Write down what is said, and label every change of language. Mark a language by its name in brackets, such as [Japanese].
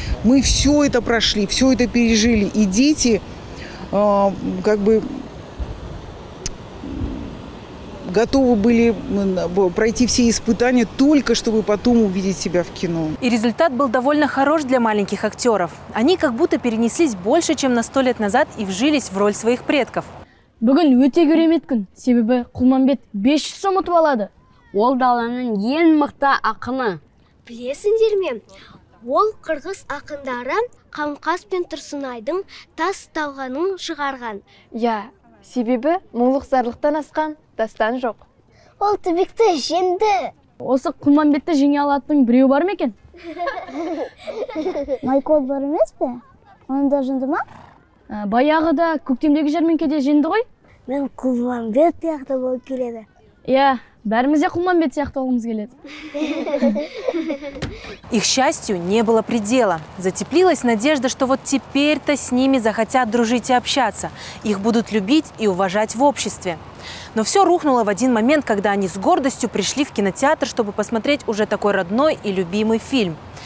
[Russian] Мы все это прошли, все это пережили, и дети как бы готовы были пройти все испытания только чтобы потом увидеть себя в кино. И результат был довольно хорош для маленьких актеров. Они как будто перенеслись больше, чем на 100 лет назад и вжились в роль своих предков. [Kazakh] Бүгін өте керемет күн, себебі Құлманбет 500 сом ұтып алады. Ол даланың ең мықты ақыны. Білесіңдер ме? Ол қырғыз ақындары Қамқас пен Тұрсынайдың тас талғанын шығарған. Я, себебі мұңлық зарлықтан асқан дастан жоқ. Ол түбекті жеңді. Осы Құлманбетті жеңе алатын біреу бар ма екен? Майкол бар емес пе? Оны да жеңді ма? Баяғы да көктемдегі жәрменкеде жеңді ғой? Мен Құлманбет сияқты болып келеді. Иә, бәрімізде Құлманбет сияқты болғымыз келеді. [Russian] Их счастью не было предела. Затеплилась надежда, что вот теперь-то с ними захотят дружить и общаться. Их будут любить и уважать в обществе. Но все рухнуло в один момент, когда они с гордостью пришли в кинотеатр, чтобы посмотреть уже такой родной и любимый фильм.